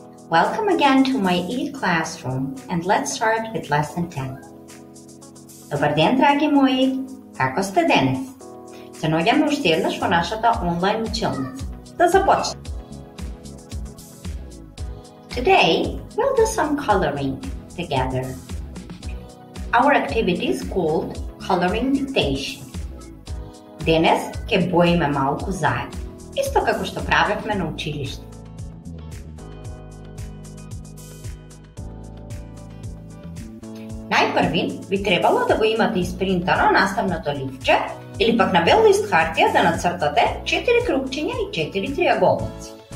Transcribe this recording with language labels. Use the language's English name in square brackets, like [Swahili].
[English] Welcome again to my e-classroom, and let's start with lesson 10. [Macedonian] Добър ден, драги мои! Како сте денес? Се наоѓаме уште еднаш во нашата онлайн училница. Да започнем! [English] Today, we'll do some coloring together. Our activity is called coloring dictation. [Macedonian] Денес ќе боиме малку заедно. Исто како што правевме на училиште. Најпрви, би требало да го имате испринтано наставното ливче или пак на бел лист хартија да нацртате 4 крупчиња и 4 триаголници.